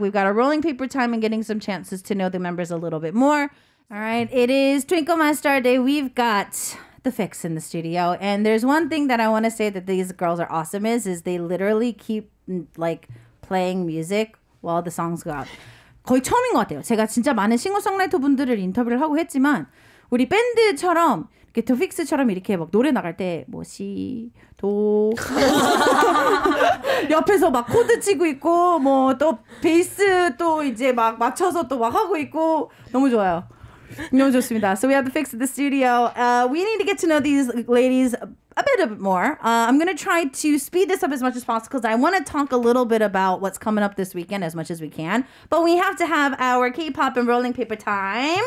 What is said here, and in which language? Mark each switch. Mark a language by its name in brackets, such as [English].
[English] We've got a rolling paper time and getting some chances to know the members a little bit more. All right, it is Twinkle My Star Day. We've got The Fix in the studio. And there's one thing that I want to say that these girls are awesome is they literally keep like playing music while the songs go out. [Korean] 거의 처음인 것 같아요. 제가 진짜 많은 싱어송라이터 분들을 인터뷰를 하고 했지만 우리 밴드처럼 이렇게 The Fix처럼 이렇게 막 노래 나갈 때 뭐 시, 도 옆에서 막 코드 치고 있고 뭐 또 베이스 또 이제 막 맞춰서 또 막 하고 있고 너무 좋아요. 너무 좋습니다. [English] So we have The Fix at the studio. We need to get to know these ladies a bit more. I'm going to try to speed this up as much as possible because I want to talk a little bit about what's coming up this weekend as much as we can. But we have to have our K-pop and rolling paper time.